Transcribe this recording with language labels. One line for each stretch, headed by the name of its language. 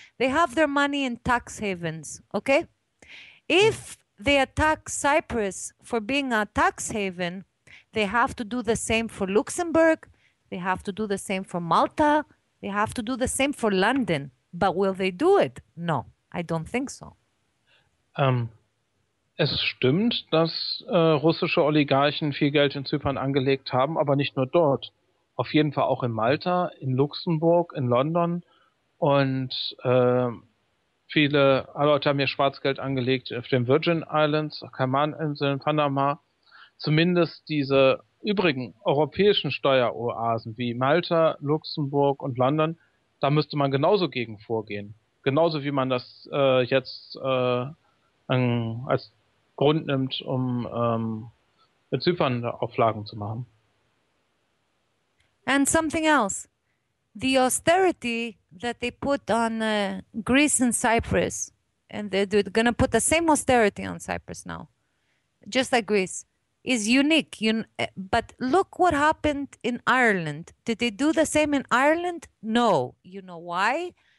English: They have their money in tax havens, okay? If they attack Cyprus for being a tax haven, they have to do the same for Luxembourg, they have to do the same for Malta, they have to do the same for London. But will they do it? No, I don't think so.
German: Es stimmt, dass russische Oligarchen viel Geld in Zypern angelegt haben, aber nicht nur dort. Auf jeden Fall auch in Malta, in Luxemburg, in London. Und viele Leute haben hier Schwarzgeld angelegt auf den Virgin Islands, Kaimaninseln, Panama. Zumindest diese übrigen europäischen Steueroasen wie Malta, Luxemburg und London, da müsste man genauso gegen vorgehen. Genauso wie man das jetzt als Grund nimmt, um mit Zypern Auflagen zu machen.
English: And something else. The austerity that they put on Greece and Cyprus, and they're going to put the same austerity on Cyprus now, just like Greece, is unique. But look what happened in Ireland. Did they do the same in Ireland? No. You know why?